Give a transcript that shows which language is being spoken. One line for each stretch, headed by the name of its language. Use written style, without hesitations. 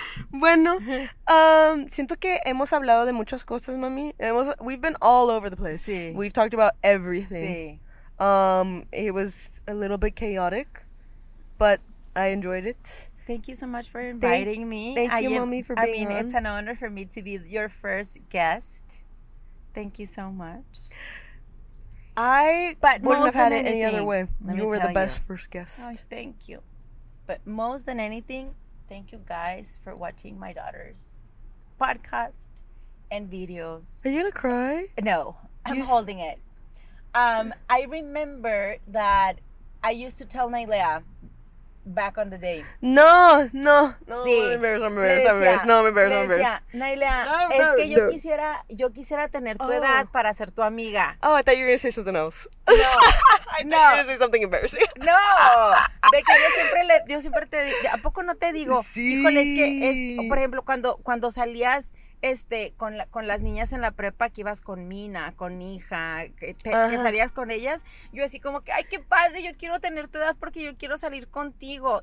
Spanish: Bueno, siento que hemos hablado de muchas cosas, mami.
English: We've been all over the place.
Spanish: Sí.
English: We've talked about everything.
Spanish: Sí.
English: It was a little bit chaotic, but I enjoyed it. Thank you so much for inviting me. Thank you, mommy, for being on. I mean, it's an honor for me to be your first guest. Thank you so much. I wouldn't have had it any other way. You were the best first guest. Oh, thank you. But most than anything, thank you guys for watching my daughter's podcast and videos. Are you gonna cry? No, I'm holding it. I remember that I used to tell Nailea back on the day. No, no, no. Sí. I'm embarrassed. No, I'm embarrassed.
Spanish: Le decía, Nailea, es que yo quisiera, yo quisiera tener tu edad para ser tu amiga.
English: Oh, I thought you were going to say something else. No. I thought you were going to say something embarrassing. No.
Spanish: De que yo siempre te digo, ¿a poco no te digo? Sí. Híjole, es que, es, por ejemplo, cuando salías... con las niñas en la prepa que ibas con Mina, con hija, que salías con ellas, yo así como que, ay, qué padre, yo quiero tener tu edad porque yo quiero salir contigo.